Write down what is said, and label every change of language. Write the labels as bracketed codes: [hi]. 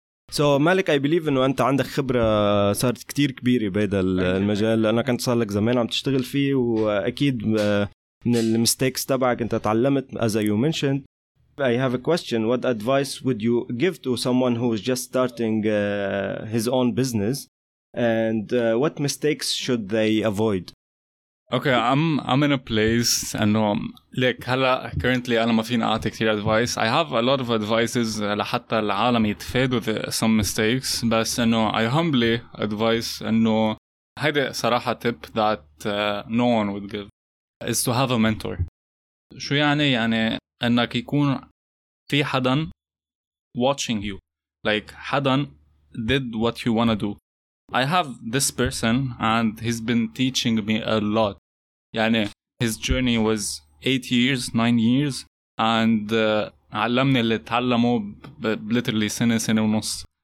[ar] So Malek, [en] I believe [ar] انه انت عندك خبرة صارت كتير كبيرة بهذا المجال لأنه كنت صار لك زمان عم تشتغل فيه وأكيد من المستيكس تبعك انت تعلمت. [en] As you mentioned, I have a question. What advice would you give to someone who is just starting his own business? And what mistakes should they avoid? Okay, I'm in a place and look, currently [ar] أنا ما فين أعطي كتير [en] advice. I have a lot of advices [ar] لحتى العالم يتفادوا [en] some mistakes. بس I humbly advise [ar] هيدا صراحة [en] tip that no one would give. Is to have a mentor. [ar] شو يعني؟ يعني أنك يكون في حدا [en] watching you. Like حدا did what you wanna do. I have this person and he's been teaching me a lot. يعني his journey was 8 years, 9 years and [ar] علمني اللي تعلمه بليترلي سنة سنة ونص.